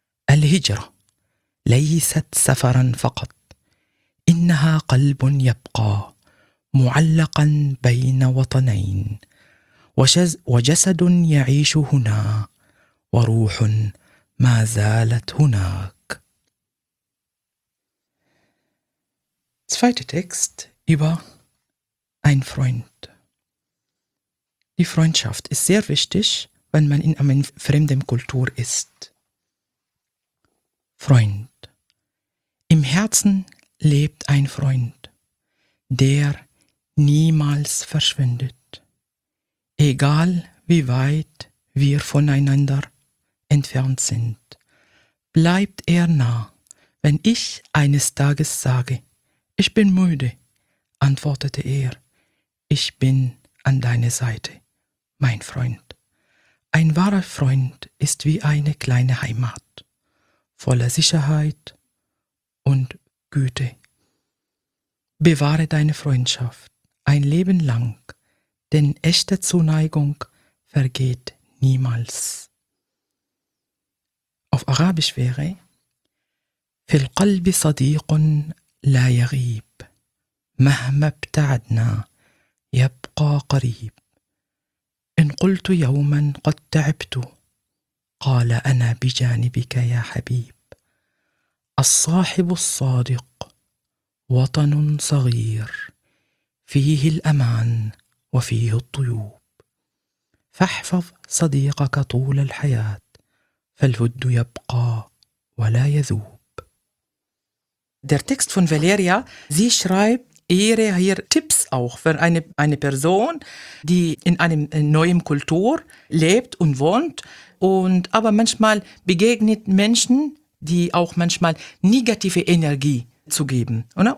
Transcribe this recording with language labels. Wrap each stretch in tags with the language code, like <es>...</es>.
<ar>الهجرة ليست سفرا فقط، إنها قلب يبقى معلقا بين وطنين، وجسد يعيش هنا، وروح ما زالت هناك.</ar> <de>Zweiter Text über ein Freund. Die Freundschaft ist sehr wichtig, wenn man in einer fremden Kultur ist. Freund. Im Herzen lebt ein Freund, der niemals verschwindet. Egal wie weit wir voneinander entfernt sind, bleibt er nah. Wenn ich eines Tages sage, ich bin müde, antwortete er, ich bin an deiner Seite, mein Freund. Ein wahrer Freund ist wie eine kleine Heimat, voller Sicherheit und Güte. Bewahre deine Freundschaft ein Leben lang, denn echte Zuneigung vergeht niemals. Auf Arabisch wäre:</de> <ar>في القلب صديق لا يغيب، مهما ابتعدنا يبقى قريب. إن قلت يوما قد تعبت، قال أنا بجانبك يا حبيب. الصاحب الصادق وطن صغير، فيه الأمان وفيه الطيوب. فاحفظ صديقك طول الحياة، فالود يبقى ولا يذوب.</ar> <de>Der Text von Valeria, sie schreibt ihre hier Tipps auch für eine Person, die in einem neuen Kultur lebt und wohnt, und aber manchmal begegnet Menschen, die auch manchmal negative Energie zu geben. Oder?</de>